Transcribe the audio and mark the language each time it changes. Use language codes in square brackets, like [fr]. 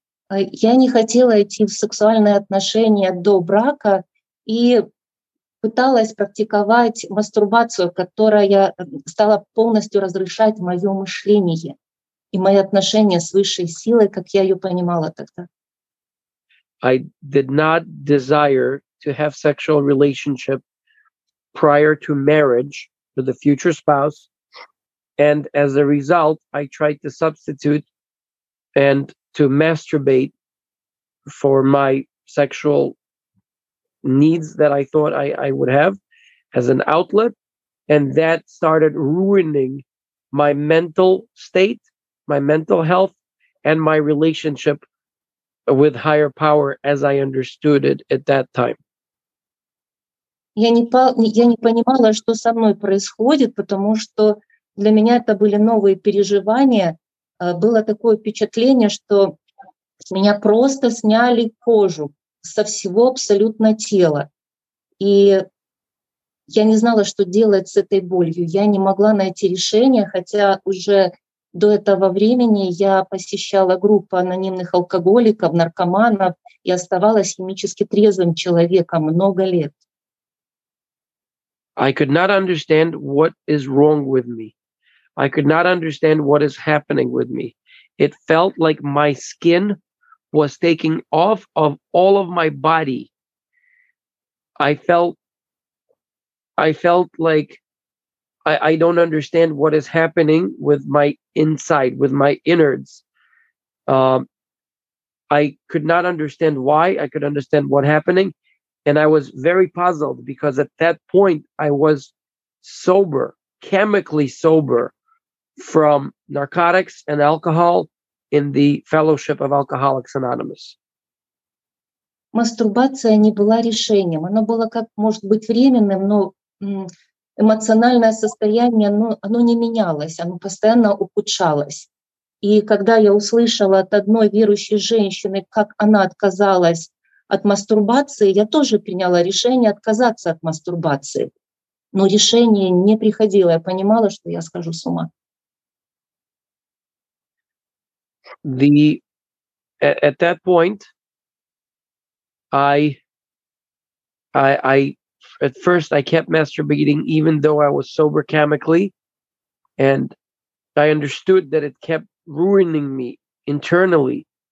[ru] Я не хотела идти в сексуальные отношения до брака и пыталась практиковать мастурбацию, которая стала полностью разрушать мое мышление и мои отношения с высшей силой, как я ее понимала тогда. [en] I did not desire to have sexual relationship prior to marriage with the future spouse, and as a result, I tried to substitute and to masturbate for my sexual needs that I thought I would have as an outlet. And that started ruining my mental state, my mental health, and my relationship with higher power as I understood it at that time. [ru] Я не понимала, что со мной происходит, потому что для меня это были новые переживания. Было такое впечатление, что с меня просто сняли кожу со всего абсолютно тела. И я не знала, что делать с этой болью. Я не могла найти решение, хотя уже до этого времени я посещала группу анонимных алкоголиков, наркоманов и оставалась химически трезвым человеком много лет. [en] I could not understand what is wrong with me. I could not understand what is happening with me. It felt like my skin was taking off of all of my body. I felt like I don't understand what is happening with my inside, with my innards. I could not understand why. I could understand what happening. And I was very puzzled because at that point I was sober, chemically sober, from narcotics and alcohol in the Fellowship of Alcoholics Anonymous. [ru] Мастурбация не была решением. Оно было как, может быть, временным, но эмоциональное состояние, оно не менялось, оно постоянно ухудшалось. И когда я услышала от одной верующей женщины, как она отказалась от мастурбации, я тоже приняла решение отказаться от мастурбации. Но решение не приходило. Я понимала, что я схожу с ума. [en] At that point, I at first I kept masturbating even though I was sober chemically, and I understood that it kept ruining me internally